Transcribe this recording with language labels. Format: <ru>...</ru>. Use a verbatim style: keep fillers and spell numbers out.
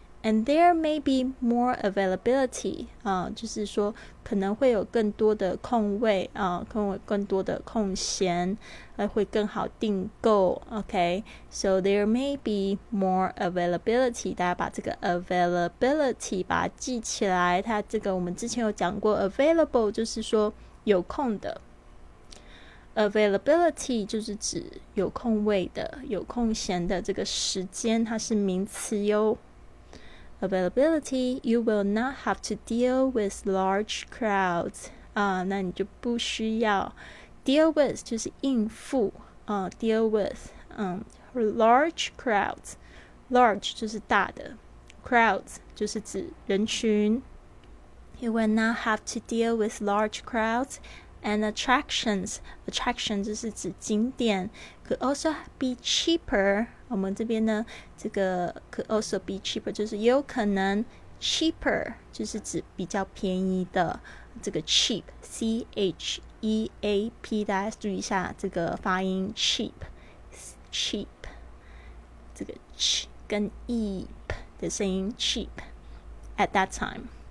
<en>And there may be more availability、</en> <zh>呃、就是说可能会有更多的空位、呃、更, 更多的空闲、呃、会更好订购</zh> <en>OK, so there may be more availability,</en> <zh>大家把这个 availability 把它记起来，它这个我们之前有讲过 available 就是说有空的， availability 就是指有空位的有空闲的这个时间，它是名词哟。</zh> <en>Availability, you will not have to deal with large crowds.</en> <zh>啊、uh, ，那你就不需要 deal with 就是应付啊、uh, ，deal with 嗯、um, ，large crowds, large 就是大的 ，crowds 就是指人群。</zh> <en>You will not have to deal with large crowds and attractions. Attraction 就是指景点 ，could also be cheaper.</en> <zh>我们这边呢这个</zh> <en>could also be cheaper</en> <zh>就是也有可能 cheaper 就是指比较便宜的，这个 cheap C H E A P 大家注意一下这个发音 cheap cheap 这个 ch 跟 eep 的声音</zh> <en>cheap at that time.</en>